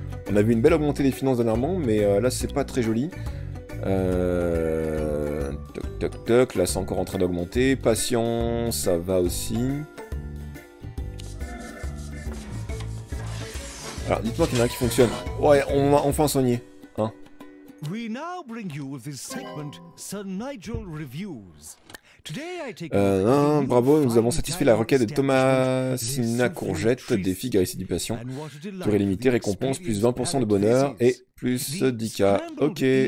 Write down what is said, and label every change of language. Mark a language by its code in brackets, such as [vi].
[fr] On a vu une belle augmentée des finances dernièrement, mais là c'est pas très joli. Toc toc toc, là c'est encore en train d'augmenter. Patient, ça va aussi. Alors dites-moi qu'il y en a un qui fonctionne. Ouais, on va enfin soigner. [en] We now bring you this segment, Sir Nigel Reviews. Today I take. [fr] Bravo, nous avons satisfait la requête de Thomasina Courgette, défi guérissez du patient. Durée limitée, récompense, plus 20% de bonheur et plus 10k. Ok.